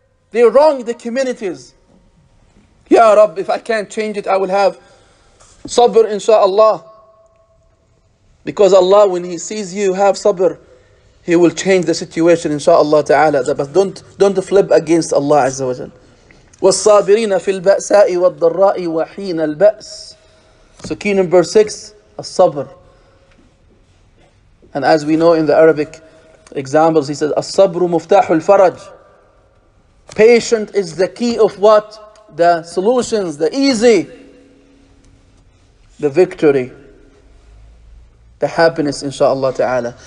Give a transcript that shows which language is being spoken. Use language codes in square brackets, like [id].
[en] They wrong the communities. Ya Rab, if I can't change it, I will have sabr, inshallah. Because Allah, when He sees you have sabr, He will change the situation, inshallah ta'ala. But don't flip against Allah, Azza wa Jal. [ar] وَالصَّابِرِينَ فِي الْبَأْسَاءِ وَالضَّرَّاءِ وَحِينَ الْبَأْسِ. [en] So key number six, as-sabr. And as we know in the Arabic examples, he says, [ar] As-sabru muftahu al-faraj. [en] Patient is the key of what? The solutions, the easy. the victory, the happiness, inshaAllah ta'ala.